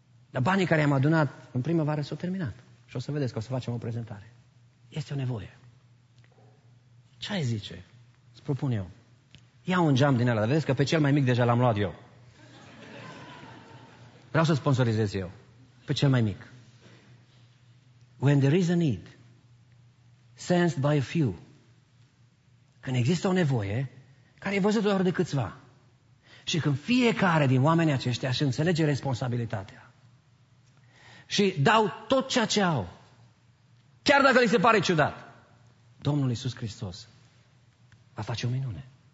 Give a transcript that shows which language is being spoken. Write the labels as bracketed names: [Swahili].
[Romanian] Dar banii care am adunat în primăvară s-au terminat. Și o să vedeți că o să facem o prezentare. Este o nevoie. Ce ai zice? Îți propun eu. Ia un geam din ăla, dar vedeți că pe cel mai mic deja l-am luat eu. Vreau să sponsorizez eu. Pe cel mai mic. [English] When there is a need, sensed by a few. [Romanian] Când există o nevoie, care e văzută doar de câțiva. Și când fiecare din oamenii aceștia își înțelege responsabilitatea. Și dau tot ceea ce au. Chiar dacă li se pare ciudat. Domnul Iisus Hristos va face o minune.